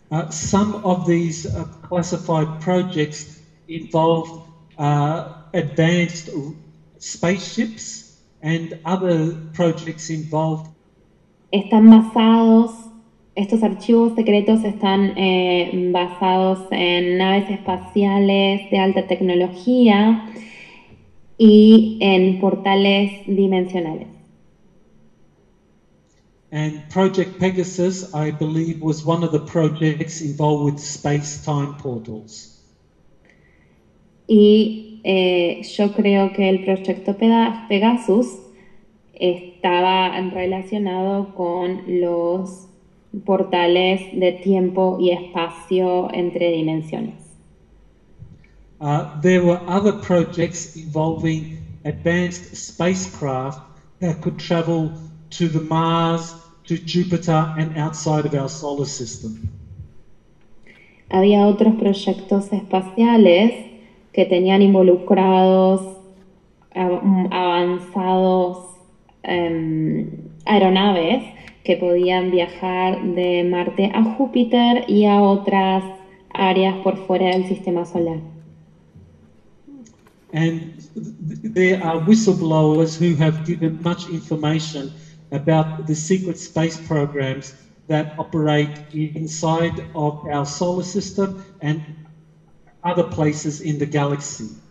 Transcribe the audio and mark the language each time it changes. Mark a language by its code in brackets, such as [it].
[en] Some of these classified projects involve advanced spaceships, and other projects involve. [es] Están basados. Estos archivos secretos están basados en naves espaciales de alta tecnología y en portales dimensionales. [en] And Project Pegasus, I believe, was one of the projects involved with space-time portals. [es] Y yo creo que el proyecto Pegasus estaba relacionado con los portales de tiempo y espacio entre dimensiones. [en] There were other projects involving advanced spacecraft that could travel to the Mars, to Jupiter, and outside of our solar system. [es] Había otros proyectos espaciales que tenían involucrados avanzados aeronaves que podían viajar de Marte a Júpiter y a otras áreas por fuera del sistema solar. [en] And there are whistleblowers who have given much information about the secret space programs that operate inside of our solar system and other places in the galaxy.